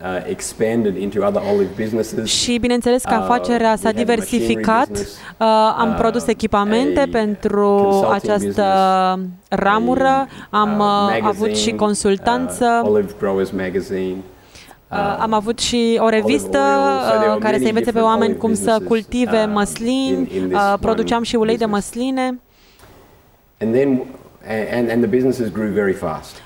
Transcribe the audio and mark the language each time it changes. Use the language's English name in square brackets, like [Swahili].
[English] Expanded into other olive businesses. [Romanian] Și bineînțeles că afacerea s-a diversificat. Am produs echipamente pentru această ramură, am avut și consultanță. [English] Olive Growers Magazine. [Romanian] Am avut și o revistă care să învețe pe oameni cum să cultive măslin, produceam și ulei de măsline. [English] And the businesses grew very fast.